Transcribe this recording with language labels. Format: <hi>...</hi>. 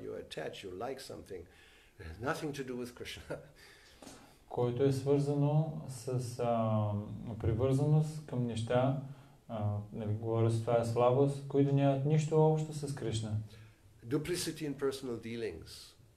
<en>You attach, you like something. There's nothing to do with Krishna.</en> <bg>Което е свързано с привързаност към неща, говоря с това е слабост, които нямат нищо общо с Кришна.</bg> <en>Duplicity in personal dealings.</en>